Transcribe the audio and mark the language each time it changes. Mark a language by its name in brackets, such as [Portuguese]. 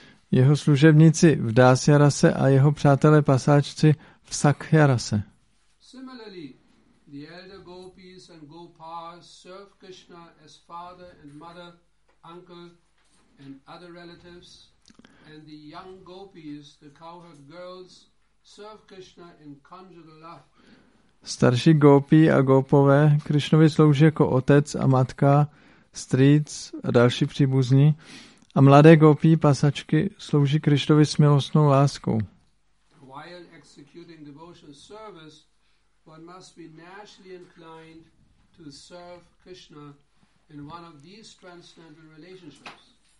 [Czech] Jeho služebníci v Dasyarase a jeho přátelé pasáčci v Sakhyarase. [English] Similarly, the elder gopis and gopas serve Krishna as father and mother, uncle and other relatives, and the young gopis, the cowherd girls, serve Krishna in conjugal love. [Czech] Starší gopi a gopové Krishnovi slouží jako otec a matka, strýc a další příbuzní, a mladé gopi pasačky slouží Krishnovi s milostnou láskou. [English] While executing devotional service, one must be naturally inclined to serve Krishna in one of these transcendental relationships.